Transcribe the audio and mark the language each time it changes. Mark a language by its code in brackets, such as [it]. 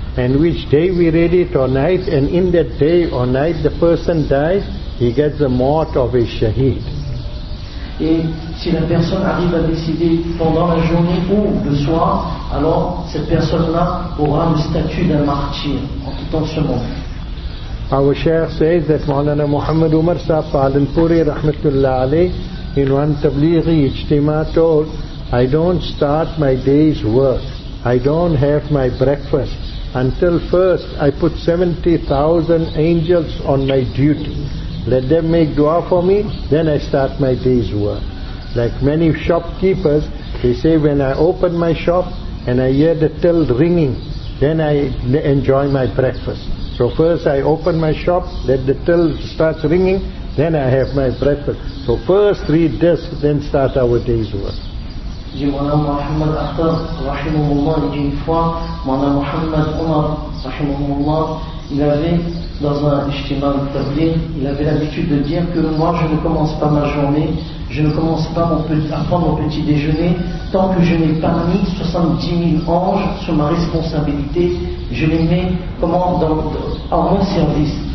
[en] And which day we read it or night, and in that day or night the person dies, he gets the mort of a shaheed. [fr] Et si la personne arrive à décider pendant la journée ou le soir, alors cette personne-là aura le statut d'un martyr en quittant ce monde. [en] Our Shaykh says that Maulana Muhammad Umar Sahib Palanpuri Rahmatullah Alayh in one tablighi ijtima told, I don't start my day's work, I don't have my breakfast until first I put 70,000 angels on my duty. Let them make dua for me, then I start my day's work. Like many shopkeepers, they say when I open my shop and I hear the till ringing, then I enjoy my breakfast. So first I open my shop, let the till starts ringing, then I have my breakfast. So first read this, then start our day's work. [fr] Maulana Muhammad Akhtar, rahimahullah, il dit une fois, Maulana Muhammad Omar, rahimahullah, il avait, dans un ijtima' tabligh, il avait l'habitude de dire que moi je ne commence pas ma journée, je ne commence pas à prendre mon petit déjeuner, tant que je n'ai pas mis 70 000 anges sous ma responsabilité, je les mets comment à mon service.